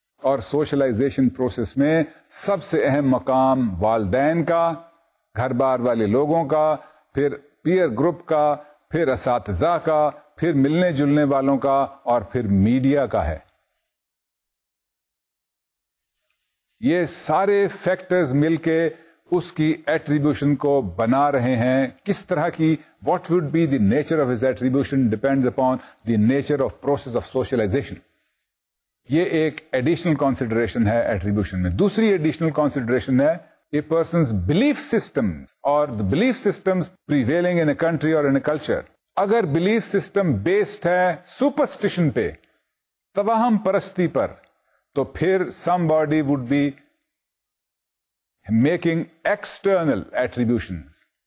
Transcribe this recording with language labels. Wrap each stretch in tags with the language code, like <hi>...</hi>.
<ur>اور socialization process میں سب سے اہم مقام والدین کا، گھر بار والے لوگوں کا، پھر پیئر گروپ کا، پھر اساتذہ کا، پھر ملنے جلنے والوں کا، اور پھر میڈیا کا ہے. یہ سارے فیکٹرز مل کے اس کی ایٹریبیوشن کو بنا رہے ہیں. کس طرح کی،</ur> <en>What would be the nature of his attribution, depends upon the nature of process of socialization.</en> <ur>یہ ایک ایڈیشنل کنسیڈریشن ہے ایٹریبیوشن میں. دوسری ایڈیشنل کنسیڈریشن ہے</ur> <en>A person's belief system or the belief systems prevailing in a country or in a culture.</en> <ur>اگر belief system based ہے سپرسٹیشن پہ، توہم پرستی پر، تو پھر</ur> <en>Somebody would be making external attributions.</en>